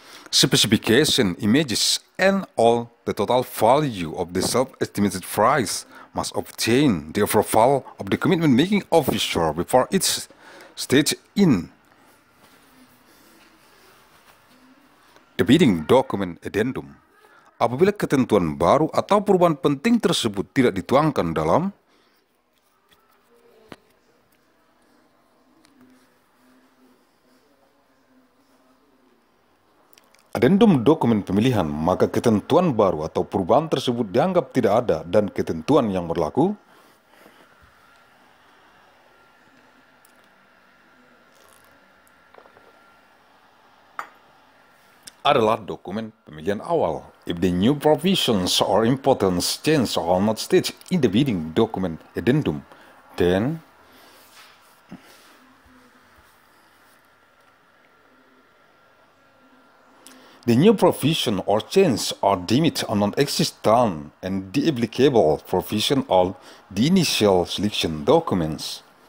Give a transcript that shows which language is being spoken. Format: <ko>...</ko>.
<en>Specification, images, and all the total value of the self-estimated price must obtain the approval of the commitment-making officer before it's stated in the bidding document addendum.</en> <id>Apabila ketentuan baru atau perubahan penting tersebut tidak dituangkan dalam adendum dokumen pemilihan, maka ketentuan baru atau perubahan tersebut dianggap tidak ada dan ketentuan yang berlaku adalah dokumen pemilihan awal.</id> <en>If the new provisions or important changes are not stated in the bidding document addendum, then the new provision or change are deemed non-existent and the applicable provision of the initial selection documents.</en>